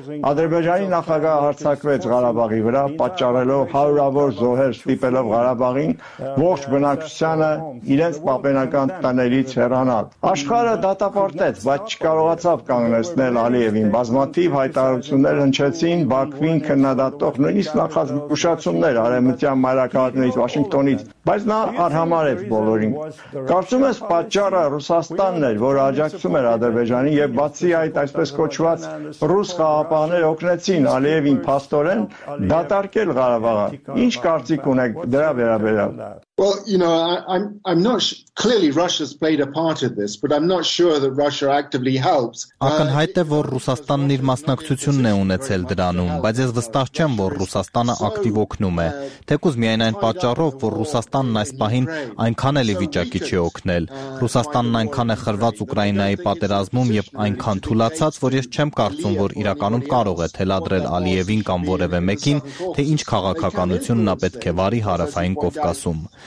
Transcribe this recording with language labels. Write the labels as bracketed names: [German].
[Armenian] Ադրբեջանի նախագահ հարձակվեց Ղարաբաղի վրա, պատճառելով հարյուրավոր զոհեր, ստիպելով Ղարաբաղին ողջ բնակչությանը իրենց պապենական տներից հեռանալ։ Աշխարհը դատապարտեց, բայց չկարողացավ կանգնեցնել Ալիևին։ Բազմաթիվ հայտարարություններ հնչեցին Բաքվին քննադատող նույնիսկ նախազգուշացումներ Արևմտյան մայրաքաղաքներից, Վաշինգտոնից, բայց նա արհամարհեց բոլորին։ Կարծում ես պատճառը Ռուսաստանն էր, որ աջակցում էր Ադրբեջանին, և բացի այդ, այսպես կոչված ռուս խաղապահները օգնեցին Ալիևին փաստորեն դատարկել Ղարաբաղը։ Ինչ կարծիք ունեք դրա վերաբերյալ? [English] Well, you know, I'm not clearly Russia's played a part in this, but I'm not sure that Russia actively helps. [Armenian] Ակնհայտ է, որ Ռուսաստանն իր մասնակցությունն է ունեցել դրանում, բայց ես վստահ չեմ, որ Ռուսաստանը ակտիվ օգնում է, թեկուզ միայն այն պատճառով, որ Ռուսաստանն այս պահին այնքան էլ վիճակի չի օգնել։ Ռուսաստանն այնքան է խրված Ուկրաինայի պատերազմում եւ այնքան թուլացած, որ ես չեմ կարծում, որ իրականում կարող է թելադրել Ալիևին կամ որևէ մեկին, թե ինչ քաղաքականություն նա պետք է վարի հարավային Կովկասում։